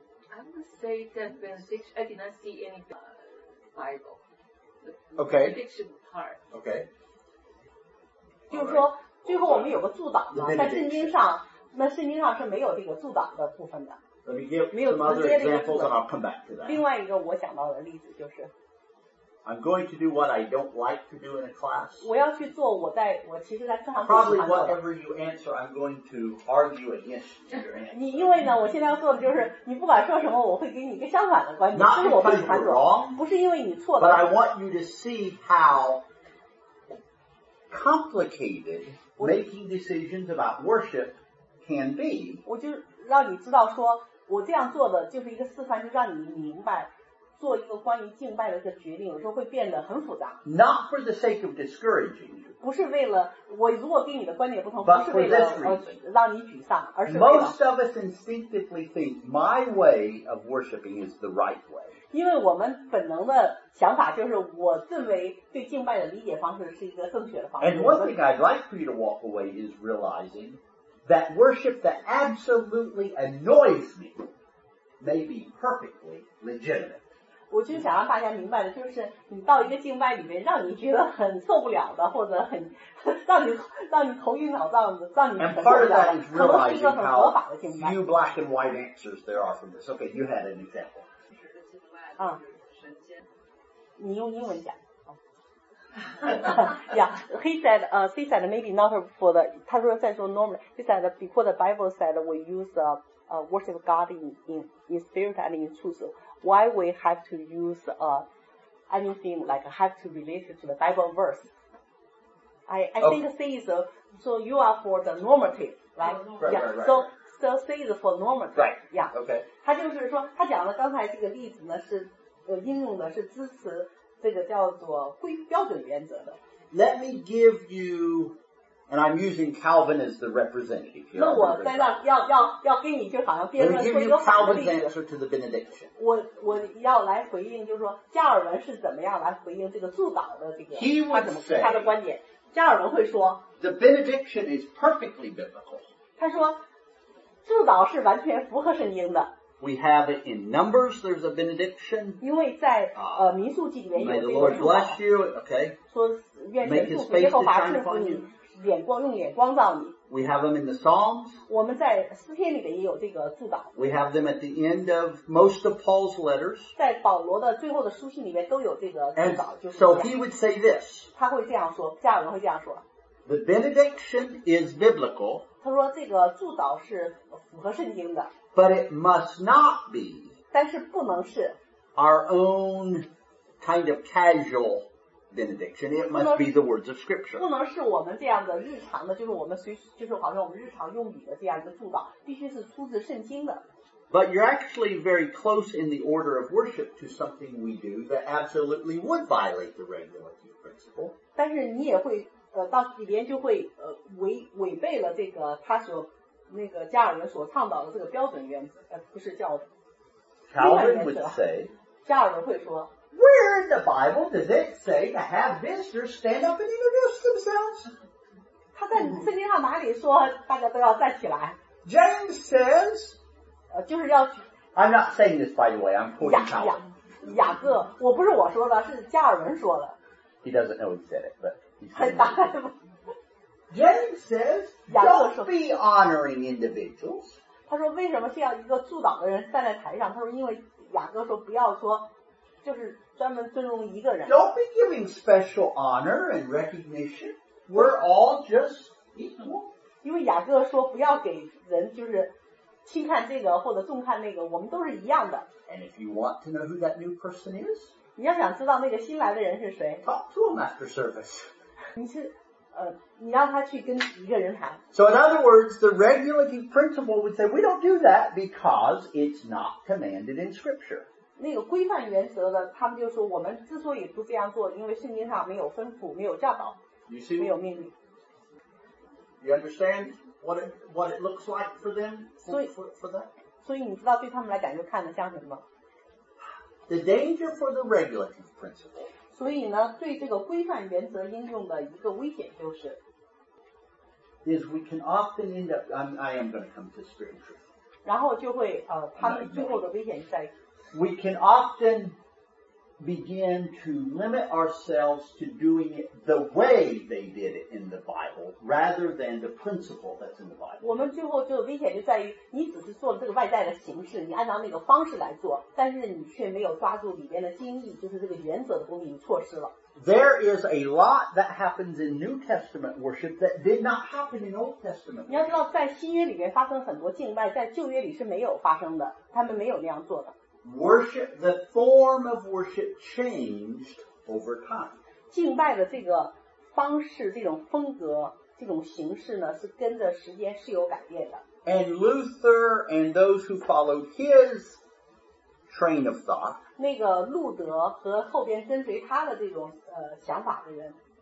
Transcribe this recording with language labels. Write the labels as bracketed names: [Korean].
[English] I would say that benediction, I did not see any Bible. Okay. Benediction part. Okay. [Chinese] 就是说最后我们有个祝祷嘛，在圣经上那圣经上是没有这个祝祷的部分的。 [English] Let me give some other examples and I'll come back to that. [Chinese] 另外一个我想到的例子就是 [English] I'm going to do what I don't like to do in a class. [Chinese] 我要去做我在我其实在课堂。 [English] Probably whatever you answer, I'm going to argue against your answer. [Chinese] 你因为呢，我现在要做的就是，你不管说什么，我会给你一个相反的观点，不是我不你反驳，不是因为你错的。 [English] But I want you to see how complicated making decisions about worship can be. [Chinese] 我就让你知道说，我这样做的就是一个示范，就让你明白。做一个关于敬拜的一个决定，有时候会变得很复杂。 [English] Not for the sake of discouraging you. [Chinese] 不是为了我，如果跟你的观点不同，不是为了让你沮丧，而是 [English] Most of us instinctively think my way of worshiping is the right way. [Chinese] 因为我们本能的想法就是，我认为对敬拜的理解方式是一个正确的方式。 [English] And one thing I'd like for you to walk away is realizing that worship that absolutely annoys me may be perfectly legitimate. [Chinese] 我就想让大家明白的就是你到一个敬拜里面让你觉得很受不了的或者很让你头晕脑胀的让你很受不了的可能是一个很合法的敬拜。 [English] Few black and white answers there are from this. Okay, you had an example. [Chinese] 嗯，你用英文讲。 [English] Yeah, he said maybe not for the, [Chinese] 他说在说 [English] normally, he said before the Bible said we use theworship God in spirit and in truth. Why we have to use anything like have to relate to the Bible verse? I think say is so you are for the normative, right? Right. So say is for normative. Right. Yeah. Okay. [Chinese] 他就是说，他讲了刚才这个例子呢，是应用的是支持这个叫做规标准原则的。 [English] Let me give you. And I'm using Calvin as the representative here. [Chinese] 那我在那要给你就好像辩论说一个好的例子。 [English] Let me give you Calvin's answer to the benediction. [Chinese] 我要来回应，就是说加尔文是怎么样来回应这个祝祷的这个 [English] He would say, [Chinese] 他的观点。加尔文会说 [English] ，The benediction is perfectly biblical. [Chinese] 他说祝祷是完全符合圣经的。 [English] We have it in Numbers. There's a benediction. [Chinese] 因为在民数记里面有这个。 [English] May the Lord bless you. Okay. [Chinese] 说愿神祝福耶和华赐福你。眼光用眼光照你。 [English] We have them in the Psalms. [Chinese] 我们在诗篇里面也有这个祝祷。 [English] We have them at the end of most of Paul's letters. [Chinese] 在保罗的最后的书信里面都有这个祝祷。 [English] And、 [Chinese] 就是、 [English] so he would say this. [Chinese] 他会这样说，加尔文会这样说。 [English] The benediction is biblical. [Chinese] 他说这个祝祷是符合圣经的。 [English] But it must not be. [Chinese] 但是不能是。 [English] Our own kind of casual. Benediction. It must be the words of Scripture. [Chinese] 不能是我们这样的日常的，就是我们随，就是好像我们日常用语的这样一个祝祷，必须是出自圣经的。 [English] But you're actually very close in the order of worship to something we do that absolutely would violate the regulative principle. [Chinese] 但是你也会到里边就会违背了这个他所那个加尔文所倡导的这个标准原则，不是叫另外原则。 [English] Calvin would say. [Chinese] 加尔文会说。 [English] Where in the Bible does it say to have visitors stand up and introduce themselves? [Chinese] 他在圣经上哪里说大家都要站起来 [English] ？James says, [Chinese] 就是要。 [English] I'm not saying this, by the way. I'm quoting Calvin. [Chinese] 雅各，我不是我说的，是加尔文说的。 [English] He doesn't know he said it, but. [Chinese] 很大。 [English] James says, don't be honoring individuals. [Chinese] 他说为什么是要一个祝祷的人站在台上？他说因为雅各说不要说。就是专门尊重一个人。 [English] Don't be giving special honor and recognition. We're all just equal. [Chinese] 因为雅各说不要给人就是轻看这个或者重看那个，我们都是一样的。 [English] And if you want to know who that new person is, [Chinese] 你要想知道那个新来的人是谁 [English] ，talk to him after service. [Chinese] 你让他去跟一个人谈。 [English] So in other words, the regulative principle would say we don't do that because it's not commanded in Scripture. [Chinese] 那个规范原则的，他们就说我们之所以不这样做，因为圣经上没有吩咐，没有教导， [English] you see, [Chinese] 没有命令。 [English] You understand what it looks like for them? For that? [Chinese] 所以你知道对他们来讲就看得像什么？ [English] The danger for the regulative principle. [Chinese] 所以呢，对这个规范原则应用的一个危险就是 [English] is we can often end up, I am going to come to spiritual. [Chinese] 然后就会他们最后的危险在 [English] We can often begin to limit ourselves to doing it the way they did it in the Bible, rather than the principle that's in the Bible. [Chinese] 我们最后就危险就在于，你只是做了这个外在的形式，你按照那个方式来做，但是你却没有抓住里边的精义，就是这个原则的东西，你错失了。 [English] There is a lot that happens in New Testament worship that did not happen in Old Testament. [Chinese] 你要知道，在新约里边发生很多敬拜，在旧约里是没有发生的，他们没有那样做的。 [English] Worship, the form of worship changed over time. [Chinese] 敬拜的这个方式，这种风格，这种形式呢，是跟着时间是有改变的。 [English] And Luther and those who followed his train of thought, [Chinese] 那个路德和后边跟随他的这种想法的人